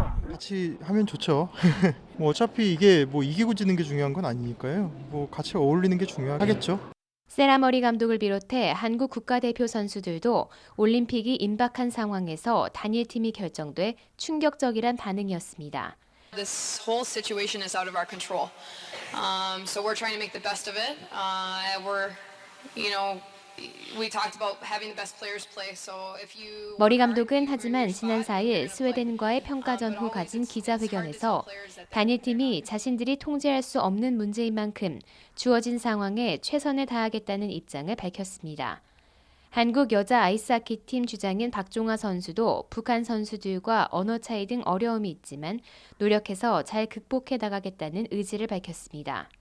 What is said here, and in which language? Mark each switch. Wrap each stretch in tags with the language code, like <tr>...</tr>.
<ko>같이 하면 좋죠. 뭐 어차피 이게 뭐 이기고 지는 게 중요한 건 아니니까요. 뭐 같이 어울리는 게 중요하겠죠. 세라머리 감독을 비롯해 한국 국가대표 선수들도 올림픽이 임박한 상황에서 단일팀이 결정돼 충격적이란 반응이었습니다.</ko> <en>This whole situation is out of our control. So we're trying to make the best of it. We're, you know, we talked about having the best players play. So if you</en> <ko>머리 감독은 하지만 지난 4일 스웨덴과의 평가전 후 가진 기자회견에서 단일팀이 자신들이 통제할 수 없는 문제인 만큼 주어진 상황에 최선을 다하겠다는 입장을 밝혔습니다. 한국 여자 아이스하키팀 주장인 박종아 선수도 북한 선수들과 언어 차이 등 어려움이 있지만 노력해서 잘 극복해 나가겠다는 의지를 밝혔습니다.</ko>